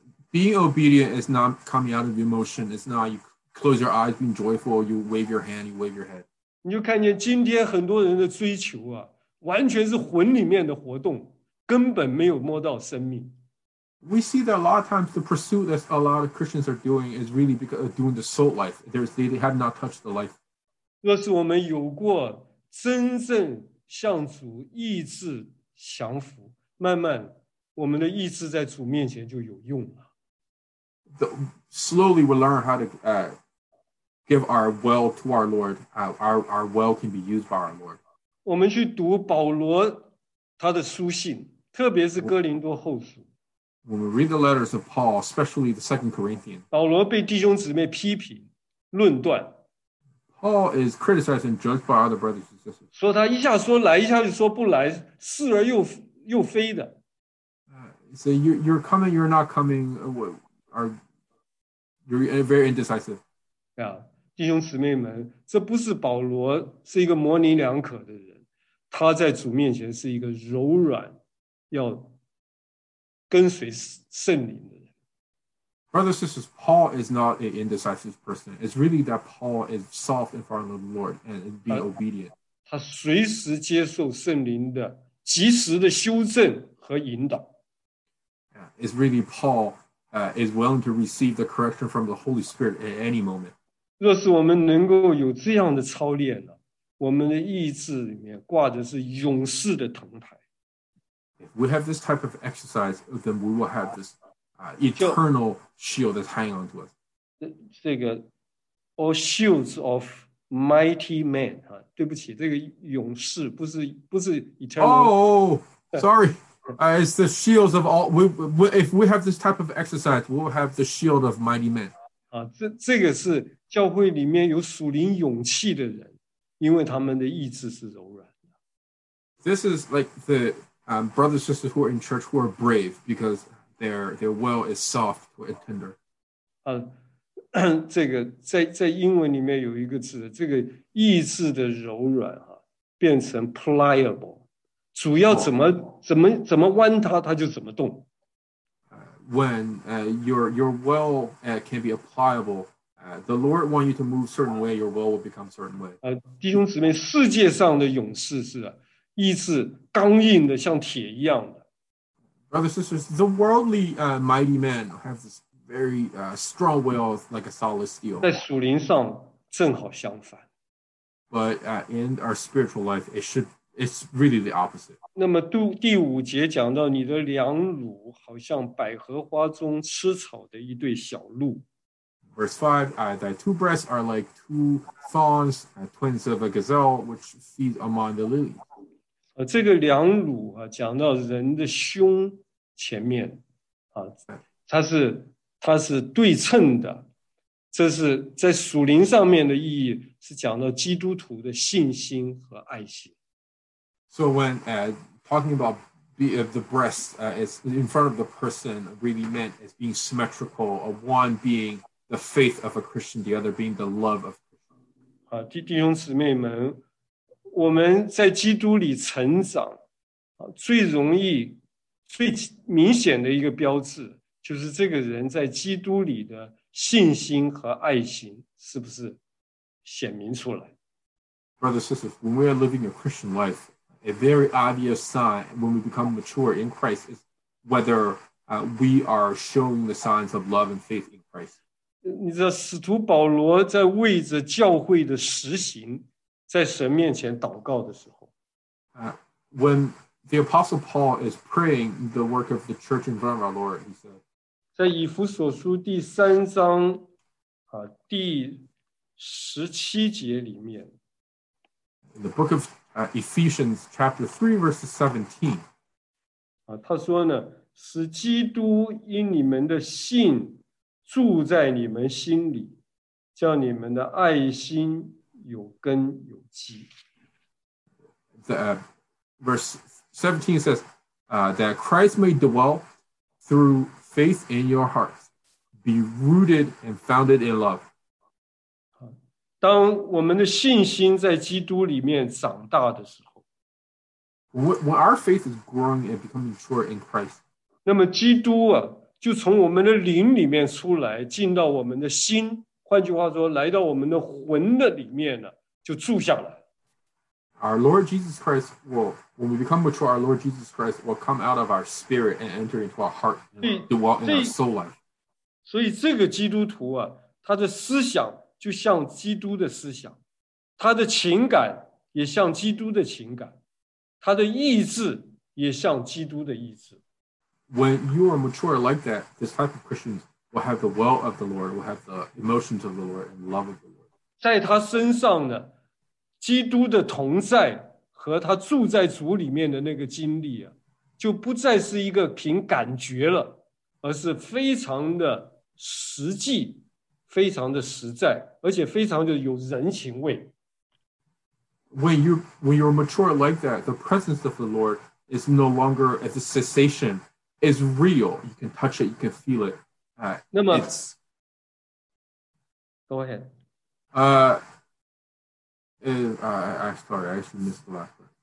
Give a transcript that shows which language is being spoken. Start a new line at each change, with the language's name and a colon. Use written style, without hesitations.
English: Being obedient is not coming out of emotion. It's not you close your eyes, being joyful, you wave your hand, you wave your head.
Chinese: 你就看见今天很多人的追求啊，完全是魂里面的活动，根本没有摸到生命。
English: We see that a lot of times the pursuit that a lot of Christians are doing is really because of doing the soul life. They have not touched the life.
Chinese: 若是我们有过真正向主意志降服，慢慢我们的意志在主面前就有用了。
English: Slowly we learn how to give our will to our Lord. Our will can be used by our Lord.
Chinese: 我们去读保罗他的书信，特别是哥林多后书。
English: When we read the letters of Paul, especially the Second Corinthians,
Chinese: 保罗被弟兄姊妹批评论断。
English: Paul is criticized and judged by other brothers and sisters.
Chinese: 说他一下说来，一下就说不来，似而又非的。
English: So you're coming, you're not coming. You're very indecisive.
Chinese: Yeah, 弟兄姊妹们，这不是保罗是一个模棱两可的人，他在主面前是一个柔软，要跟随圣灵的人。
English: Brothers and sisters, Paul is not an indecisive person. It's really that Paul is soft in front of the Lord and being obedient.
Chinese: 他随时接受圣灵的及时的修正和引导。
English: Yeah, it's really Paul. is willing to receive the correction from the Holy Spirit at any moment.
Chinese: 若是我们能够有这样的操练呢，我们的意志里面挂的是勇士的铜牌。
English: If we have this type of exercise, then we will have this eternal shield that's hanging onto us.
Chinese: 这个
English: all shields of mighty men.
Chinese: 对不起，这个勇士不是 eternal.
English: Oh, sorry. It's the shields of all. If we have this type of exercise, we will have the shield of mighty men.
Chinese: 这个是教会里面有属灵勇气的人，因为他们的意志是柔软的。
English: This is like the brothers and sisters who are in church who are brave because their will is soft and tender.
Chinese: 这个在英文里面有一个字，这个意志的柔软哈，变成 pliable。主要怎么弯它，它就怎么动。
English: When your will can be pliable, the Lord wants you to move certain way, your will become certain way.
Chinese: 弟兄姊妹，世界上的勇士是意志刚硬的，像铁一样的。
English: Brothers and sisters, the worldly mighty men have this very strong will, like a solid steel.
Chinese: 在属灵上正好相反。
English: But in our spiritual life, it's really the opposite.
Chinese: 那么第五节讲到你的两乳好像百合花中吃草的一对小鹿。
English: Verse 5, thy two breasts are like two fawns, twins of a gazelle, which feed among the lilies.
Chinese: 这个两乳啊，讲到人的胸前面啊，它是对称的。这是在属灵上面的意义，是讲到基督徒的信心和爱心。
English: So when talking about the breasts, it's in front of the person really meant as being symmetrical, one being the faith of a Christian, the other being the love of Christian.
Chinese: 弟兄姊妹们，我们在基督里成长，最容易、最明显的一个标志，就是这个人在基督里的信心和爱心是不是显明出来。
English: Brothers and sisters, when we are living a Christian life,a very obvious sign when we become mature in Christ is whether we are showing the signs of love and faith in Christ.
Chinese: 你知道使徒保罗在为着教会的实行在神面前祷告的时候。
English: When the Apostle Paul is praying the work of the church in front of our Lord, he said,
Chinese: 在以弗所书第三章第十七节里面。
English: In the book of Ephesians chapter 3, verse 17.
Chinese: 他说呢，使基督因你们的信住在你们心里，叫你们的爱心有根有基。
English: Verse 17 says, that Christ may dwell through faith in your hearts, be rooted and founded in love.
Chinese: 当我们的信心在基督里面长大的时候
English: When our faith is growing and becoming mature in Christ,
Chinese: 那么基督啊，就从我们的灵里面出来，进到我们的心，换句话说，来到我们的魂的里面呢，就住下来。
English: Our Lord Jesus Christ will, when we become mature, our Lord Jesus Christ will come out of our spirit and enter into our heart and dwell in our soul life.
Chinese: 所以这个基督徒啊，他的思想就像基督的思想，他的情感也像基督的情感，他的意志也像基督的意志。
English: When you are mature like that, this type of Christians will have the will of the Lord, will have the emotions of the Lord, and love of the Lord.
Chinese: 在他身上呢，基督的同在和他住在主里面的那个经历啊，就不再是一个凭感觉了，而是非常的实际。非常的实在，而且非常的有人情味。
English: When you're mature like that, the presence of the Lord is no longer as a cessation, is real. You can touch it, you can feel it.
Chinese: 那么
English: Go ahead. I actually missed the last part.